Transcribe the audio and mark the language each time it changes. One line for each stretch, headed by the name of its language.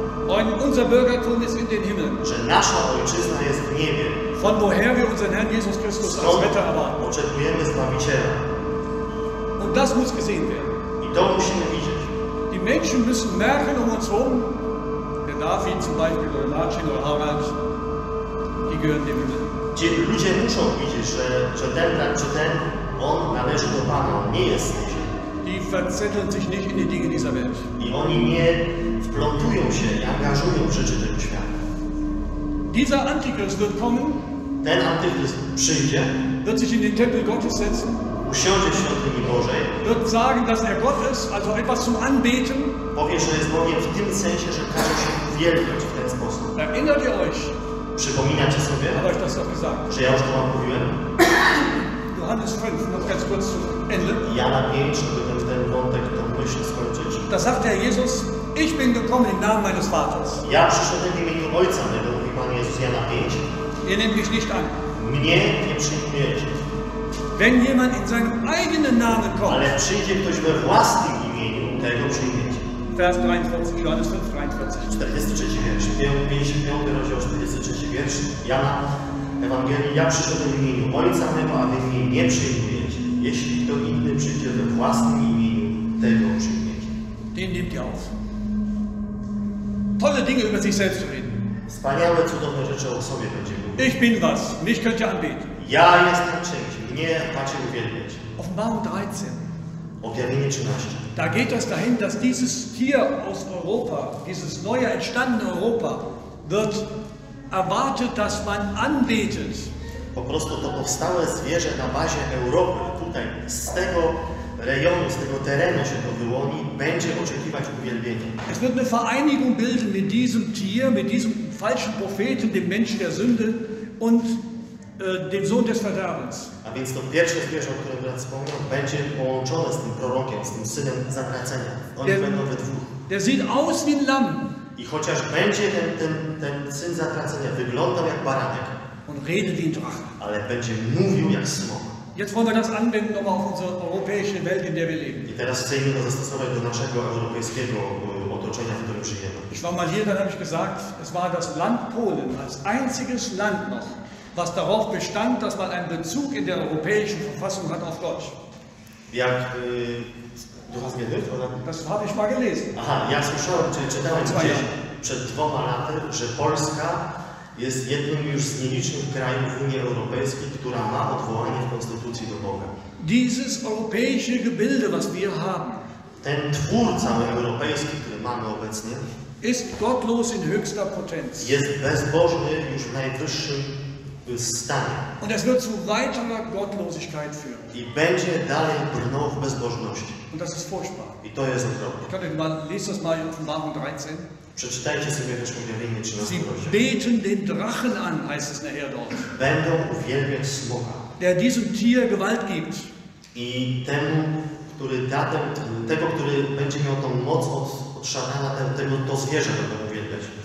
German: und unser Bürgertum ist in den Himmel.
Polish: Że nasza ojczyzna jest w niebie.
German: Von woher wir unseren Herrn Jesus Christus als Retter erwarten.
Polish: Oczekujemy Zbawiciela.
German: Und das muss gesehen werden.
Polish: I to musimy widzieć.
German: Die Menschen müssen merken um uns herum, der David zum Beispiel oder Martin oder Harald, die gehören dem Himmel. Die Leute müssen sehen, dass der
Polish: on należy do Pana, nie jest w niebie.
German: Die verzetteln sich nicht in die Dinge dieser Welt.
Polish: I oni nie wplątują się, nie angażują w rzeczy tego świata.
German: Dieser Antichrist wird kommen,
Polish: ten Antichrist przyjdzie,
German: wird sich in den Tempel Gottes setzen.
Polish: Usiądzie w świątyni Bożej.
German: Wird sagen, dass er Gott ist, also etwas zum Anbeten.
Polish: Powie, że jest Bogiem w tym sensie, że każe się uwielbiać w ten sposób.
German: Erinnert ihr euch?
Polish: Przypominacie sobie?
German: Hab euch das doch gesagt.
Polish: Że ja już to wam mówiłem?
German: Johannes 5, noch ganz kurz zu Ende.
Polish: Jana 5, żeby ten wątek tą myśl skończyć.
German: Da sagt der Jesus, ich bin gekommen im Namen meines Vaters.
Polish: Ja przyszedłem w imieniu Ojca mego, mówi Pan Jezus, Jana 5.
German: Ihr nehmt mich nicht an.
Polish: Mnie nie przyjmujecie.
German: Wenn jemand in seinem eigenen Namen kommt.
Polish: Ale przyjdzie ktoś we własnym imieniu, tego przyjmiecie.
German: Vers 43, Johannes 5, 43.
Polish: 43 wiersz, 55 rozdział, 43 wiersz. Jana Ewangelii, ja przyszedłem w imieniu Ojca mego, a wy mnie nie przyjmujecie. Jeśli kto inny przyjdzie we własnym imieniu, tego przyjmiecie.
German: Den nimmt ihr auf. Tolle Dinge über sich selbst zu reden.
Polish: Wspaniałe, cudowne rzeczy o sobie będzie mówić.
German: Ich bin was, mich könnt ihr anbieten.
Polish: Ja jestem czymś. Nie macie uwielbiać.
German: Offenbarung 13.
Polish: Objawienie 13.
German: Da geht es dahin, dass dieses Tier aus Europa, dieses neue entstandene Europa, wird erwartet, dass man anbetet.
Polish: Po prostu to powstałe zwierzę na bazie Europy, tutaj z tego rejonu, z tego terenu się to wyłoni, będzie oczekiwać uwielbienia.
German: Es wird eine Vereinigung bilden mit diesem Tier, mit diesem falschen Propheten, dem Menschen der Sünde und dem Sohn des Verderbens.
Polish: A więc to pierwsze zwierzę, o którym teraz wspomniał, będzie połączone z tym prorokiem, z tym synem zatracenia. Oni będą we dwóch.
German: Der sieht aus wie ein Lamm.
Polish: I chociaż będzie ten syn zatracenia wyglądał jak baranek,
German: und redet wie ein Drachen,
Polish: ale będzie mówił jak smok.
German: Jetzt wollen wir das anwenden nochmal auf unsere europäische Welt, in der wir leben.
Polish: I teraz chcemy to zastosować do naszego europejskiego otoczenia, w którym żyjemy.
German: Ich war mal hier, dann habe ich gesagt, es war das Land Polen als einziges Land noch, was darauf bestand, dass man einen Bezug in der europäischen Verfassung hat auf Deutsch. Jak, du hast gehört, oder? Das habe ich mal gelesen.
Polish: Aha, ja słyszałem, czyli czytałem gdzieś przed dwoma laty, że Polska jest jednym już z nielicznych krajów Unii Europejskiej, która ma odwołanie w Konstytucji do Boga.
German: Dieses europäische Gebilde, was wir haben,
Polish: ten twór cały europejski, który mamy obecnie,
German: ist gottlos in höchster Potenz.
Polish: Jest bezbożny już w najwyższym stanie.
German: Und es wird zu weiterer Gottlosigkeit führen.
Polish: I będzie dalej brnął w bezbożności.
German: Und das ist furchtbar.
Polish: I to jest okropne.
German: Kann ich mal, lest das mal in Offenbarung 13.
Polish: Przeczytajcie sobie też objawienie 13.
German: Sie beten den Drachen an, heißt es nachher dort.
Polish: Będą uwielbiać smoka,
German: der diesem Tier Gewalt gibt.
Polish: I temu, który da ten, tego, który będzie miał tą moc od szatana, tego to zwierzę będą uwielbiać.